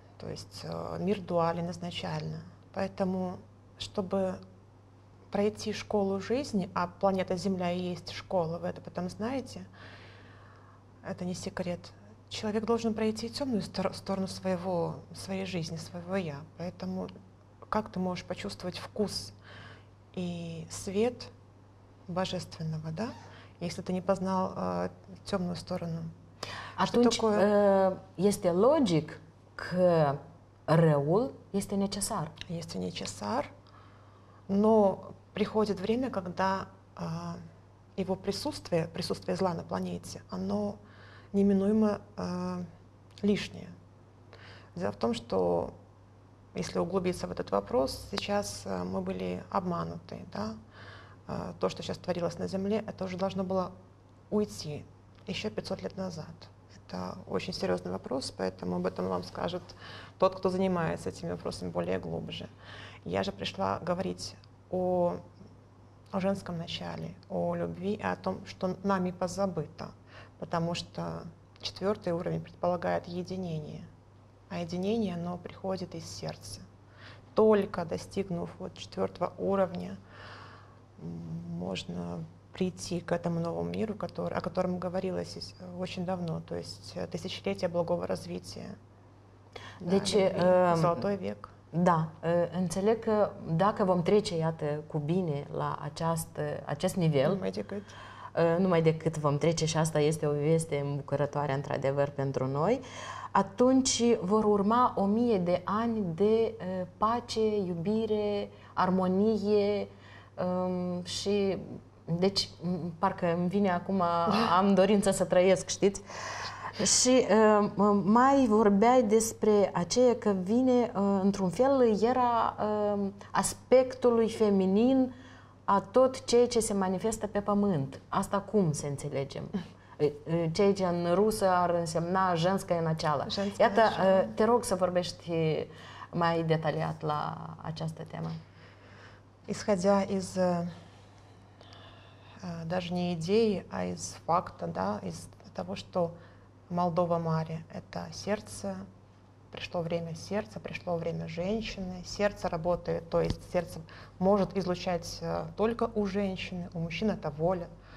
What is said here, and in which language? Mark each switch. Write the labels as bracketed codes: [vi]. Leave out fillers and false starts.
[ru] То есть мир дуален изначально. Поэтому, чтобы пройти школу жизни, а планета Земля и есть школа, вы это потом знаете, это не секрет, человек должен пройти темную сторону своей жизни, своего «я». Поэтому как ты можешь почувствовать вкус и свет божественного, да, если ты не познал темную сторону? [ro] Atunci este logic că răul este necesar. Este necesar, [ru] но приходит время, когда его присутствие зла на планете, оно неминуемо лишнее. Дело в том, что если углубиться в этот вопрос, сейчас мы были обмануты, да? То, что сейчас творилось на Земле, это уже должно было уйти еще 500 лет назад. Это очень серьезный вопрос, поэтому об этом вам скажет тот, кто занимается этими вопросами более глубже. Я же пришла говорить о женском начале, о любви и о том, что нами позабыто, потому что четвертый уровень предполагает единение, а единение, оно приходит из сердца. Только достигнув вот четвертого уровня, можно прийти к этому новому миру, о котором говорилось очень давно, то есть тысячелетия благого развития. [ro] Deci, [ru] да, золотой век. [ro] Да, înțeleg că dacă vom trece, iată, cu bine la acest nivel, numai decât vom trece, și asta este o veste îmbucurătoare, într-adevăr, pentru noi, atunci vor urma 1000 de ani de pace, iubire, armonie și... Deci, parcă îmi vine acum, am dorința să trăiesc, știți? Și mai vorbeai despre aceea că vine, într-un fel, era aspectului feminin a tot ceea ce se manifestă pe pământ. Asta cum se înțelegem? ceea ce în rusă ar însemna [ru] женское начало. [ro] Iată, te rog să vorbești mai detaliat la această temă. [ru] Исходя из даже не идеи, а из факта, да, из того, что Молдова Маре — это сердце, пришло время сердца, пришло время женщины, сердце работает, то есть сердце может излучать только у женщины, у мужчин это воля.